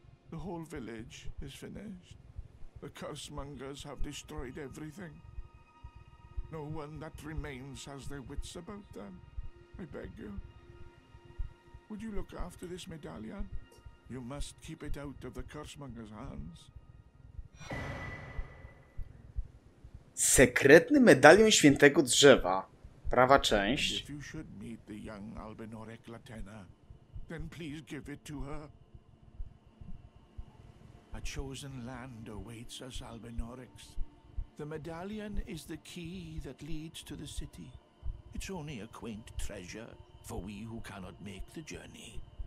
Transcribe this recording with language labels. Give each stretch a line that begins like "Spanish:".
English: The whole village is finished. The curse mongers have destroyed everything. No one that remains has their wits about them. I beg you. Would you look after this medallion? You must keep it out of the curse mongers' hands.
Polish: Sekretny medalion świętego drzewa. Prawa część.
English: If you should meet the young Albinoric Latena, then please give it to her. A chosen land awaits us, Albinorix. The medallion is the key that leads to the city. It's only a quaint treasure for we who cannot make the journey.